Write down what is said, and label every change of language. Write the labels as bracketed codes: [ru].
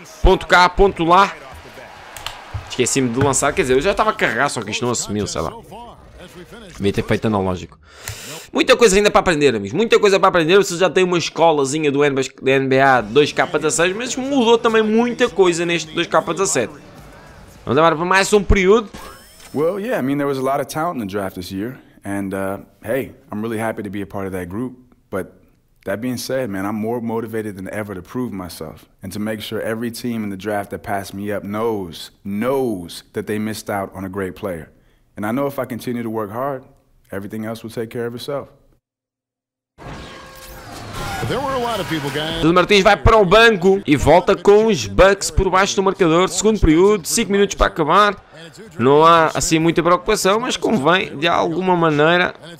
[pt] Ponto cá, ponto lá. Esqueci-me de lançar. Quer dizer, eu já estava a carregar, só que isto não assumiu, sei lá. Devia ter feito analógico. Muita coisa ainda para aprender, amigos. Muita coisa para aprender. Você já tem uma escolazinha do NBA 2K16, mas mudou também muita coisa neste 2K17. Vamos agora para mais um período. [en] Well, yeah, I mean, there was a lot of talent in the draft this year. And, hey, I'm really happy to be a part of that group. But, that being said, man, I'm more motivated than ever to prove myself. And to make sure every team in the draft that passed me up knows that they missed out on a great player. And I know if I continue to work hard, everything else will take care of itself. There were a lot of people, guys. [pt] Sousa Martins vai para o banco e volta com os Bucks por baixo do marcador. Segundo período, 5 minutos para acabar. Não há assim muita preocupação, mas convém de alguma maneira.